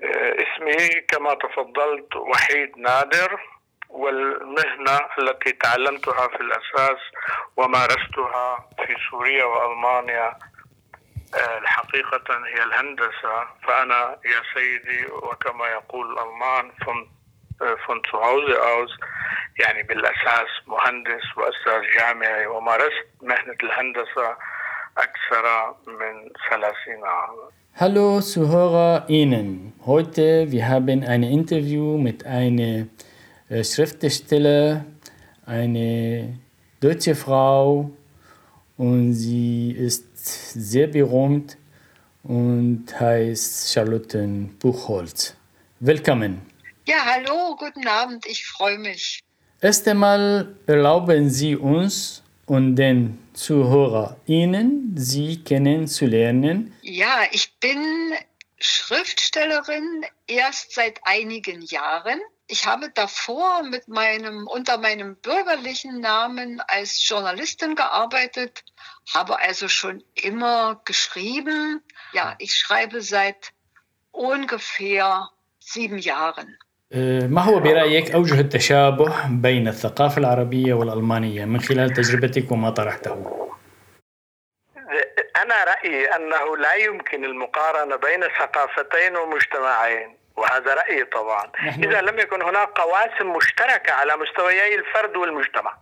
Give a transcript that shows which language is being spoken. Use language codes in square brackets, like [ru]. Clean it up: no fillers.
[ar] اسمي كما تفضلت وحيد نادر والمهنة التي تعلمتها في الأساس ومارستها في سوريا وألمانيا الحقيقة هي الهندسة فأنا يا سيدي وكما يقول الألمان [de] von zu Hause aus, [ar] يعني بالأساس مهندس وأستاذ جامعي ومارست مهنة الهندسة أكثر من 30 عام. [de] Hallo ZuhörerInnen. Heute wir haben ein Interview mit einer Schriftsteller, eine deutsche Frau und sie ist sehr berühmt und heißt Charlotte Buchholz. Willkommen. Ja, hallo, guten Abend, ich freue mich. Erst einmal erlauben Sie uns und den ZuhörerInnen, Sie kennenzulernen. Ja, ich bin Schriftstellerin erst seit einigen Jahren. Ich habe davor unter meinem bürgerlichen Namen als Journalistin gearbeitet, habe also schon immer geschrieben. Ja, ich schreibe seit ungefähr 7 Jahren. [ar] ما هو برأيك أوجه التشابه بين الثقافة العربية والألمانية من خلال تجربتك وما طرحته؟ أنا رأيي أنه لا يمكن المقارنة بين ثقافتين ومجتمعين وهذا رأيي طبعا إذا لم يكن هناك قواسم مشتركة على مستويي الفرد والمجتمع